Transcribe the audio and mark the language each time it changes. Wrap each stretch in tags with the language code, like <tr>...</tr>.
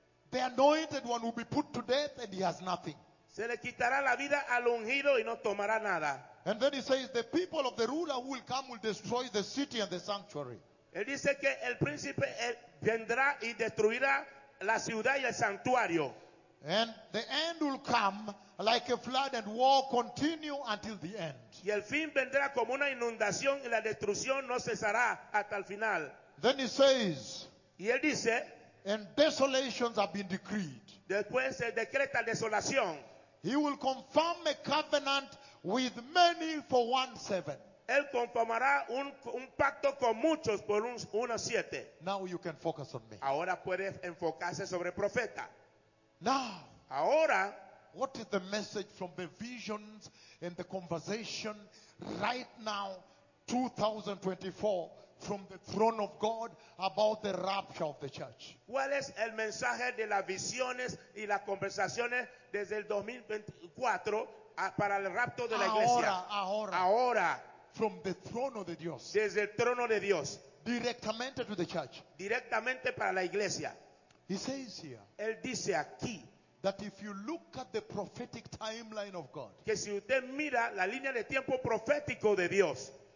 <en>The anointed one will be put to death and he has nothing.</en> <es>Se le quitará la vida al ungido y no tomará nada.</es> <en>And then he says the people of the ruler who will come will destroy the city and the sanctuary.</en> <es>Él dice que el príncipe vendrá y destruirá la ciudad y el santuario.</es> <en>And the end will come like a flood and war continue until the end.</en> <es>Y el fin vendrá como una inundación y la destrucción no cesará hasta el final.</es> <en>Then he says,</en> <es>y él dice,</es> <en>and desolations have been decreed.</en> <es>Después se decreta desolación.</es> <en>He will confirm a covenant with many for 1-7.</en> <es>Él confirmará un pacto con muchos por 1-7.</es> <en>Now you can focus on me.</en> <es>Ahora puede enfocarse sobre el profeta.</es> <en>Now,</en> <es>ahora,</es> <en>what is the message from the visions and the conversation right now, 2024, from the throne of God about the rapture of the church?</en> <es>¿Cuál es el mensaje de las visiones y las conversaciones desde el 2024 para el rapto de la iglesia? Ahora, ahora, ahora,</es> <en>from the throne of the Dios,</en> <es>desde el trono de Dios,</es> <en>directamente to the church,</en> <es>directamente para la iglesia.</es> <en>He says here,</en> <es>él dice aquí,</es> <en>that if you look at the prophetic timeline of God,</en> <es>que si usted mira la línea de tiempo profético de Dios,</es>